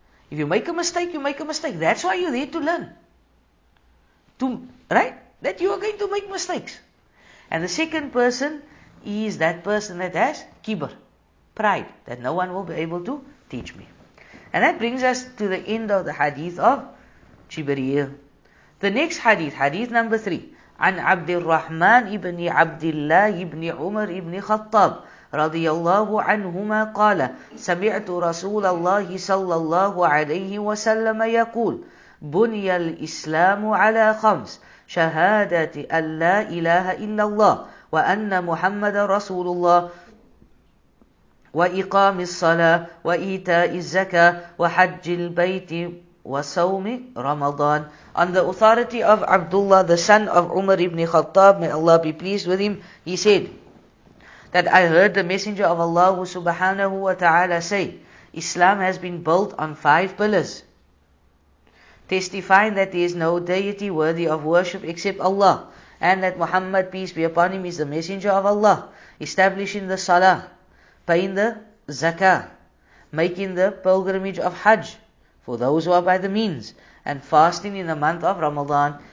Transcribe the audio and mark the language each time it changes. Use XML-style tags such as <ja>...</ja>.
<en>If you make a mistake, you make a mistake. That's why you're there to learn. Right? That you are going to make mistakes. And the second person is that person that has kibr, pride, that no one will be able to teach me. And that brings us to the end of the hadith of Jibreel. The next hadith, hadith number 3,</en> <ar>عن عبد الرحمن ابن عبد الله ابن عمر ابن خطاب رضي الله عنهما قال سمعت رسول الله صلى الله عليه وسلم يقول بني الإسلام على خمس شهادة أن لا إله إلا الله وأن محمد رسول الله وإقام الصلاة وإيتاء الزكاة وحج البيت وصوم رمضان.</ar> <en>On the authority of Abdullah, the son of Umar ibn Khattab, may Allah be pleased with him, he said that I heard the Messenger of Allah subhanahu wa ta'ala say, Islam has been built on 5 pillars, testifying that there is no deity worthy of worship except Allah, and that Muhammad, peace be upon him, is the Messenger of Allah, establishing the Salah, paying the Zakah, making the pilgrimage of Hajj for those who are by the means, and fasting in the month of Ramadan.</en>